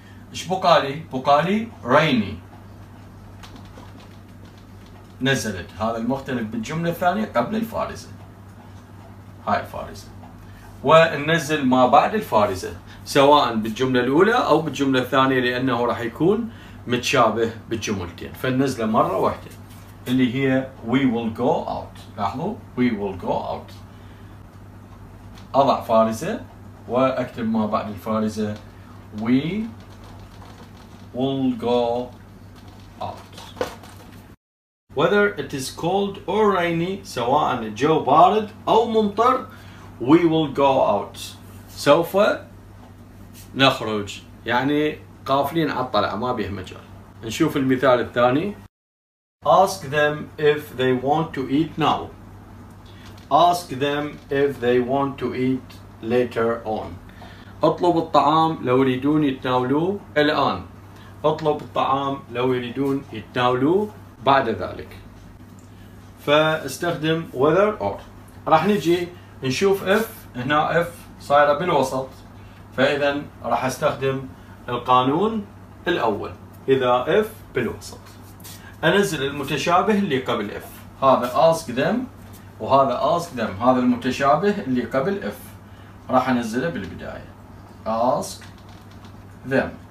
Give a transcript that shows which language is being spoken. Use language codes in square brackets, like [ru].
[ar] ايش بقالي؟ بقالي rainy نزلت، هذا المختلف بالجملة الثانية قبل الفارزة، هاي الفارزة. وننزل ما بعد الفارزة سواء بالجملة الأولى أو بالجملة الثانية لأنه راح يكون متشابه بالجملتين، فننزله مرة واحدة اللي هي [en] we will go out. [ar] لاحظوا [en] we will go out، [ar] أضع فارزة وأكتب ما بعد الفارزة we will go out. [en] whether it is cold or rainy، [ar] سواء الجو بارد أو ممطر، [en] we will go out، [ar] سوف نخرج، يعني قافلين على الطلع ما بيه مجال. نشوف المثال الثاني. [en] ask them if they want to eat now. ask them if they want to eat later on. [ar] اطلب الطعام لو يريدون يتناولوه الآن. اطلب الطعام لو يريدون يتناولوه بعد ذلك. فاستخدم whether or. راح نجي نشوف اف، هنا اف صايرة بالوسط، فاذا راح استخدم القانون الاول، اذا اف بالوسط انزل المتشابه اللي قبل اف، هذا [en] ask them [ar] وهذا ask them، هذا المتشابه اللي قبل اف راح انزله بالبداية ask them.